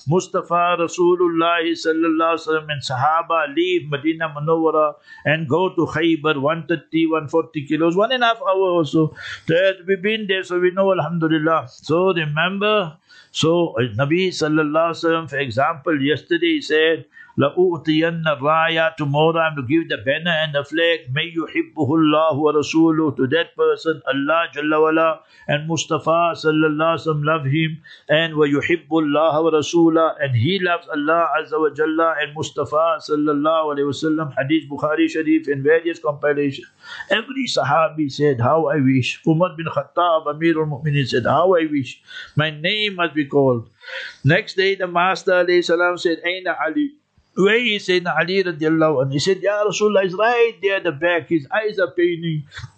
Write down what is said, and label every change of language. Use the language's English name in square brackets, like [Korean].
[English] Mustafa Rasulullah sallallahu alaihi wasallam and Sahaba leave Medina Munawwara and go to Khaybar, 130, 140 kilos, 1.5 hour or so. That we've been there, so we know, alhamdulillah. So remember, so Nabi sallallahu alaihi wasallam, for example, yesterday he said, [Arabic] لَأُؤْتِيَنَّ الرَّايَا. [English] Tomorrow I'm to give the banner and the flag. May [Arabic] يُحِبُّهُ اللَّهُ وَرَسُولُهُ. [English] To that person, Allah Jalla Wala and Mustafa Sallallahu Alaihi Wasallam love him. And [Arabic] وَيُحِبُّ اللَّهُ وَرَسُولَهُ. [English] And he loves Allah Azza wa Jalla and Mustafa Sallallahu Alaihi Wasallam. Hadith Bukhari Sharif in various compilations. Every Sahabi said, how I wish. Umar bin Khattab, Amir al-Mu'minin said, how I wish. My name must be called. Next day the Master Alayhi Salaam said, [Arabic] Aina Ali. [English] Where is Sayyidina Ali radiallahu anhu? He said, Ya Rasulullah, he's right there at the back. His eyes are paining.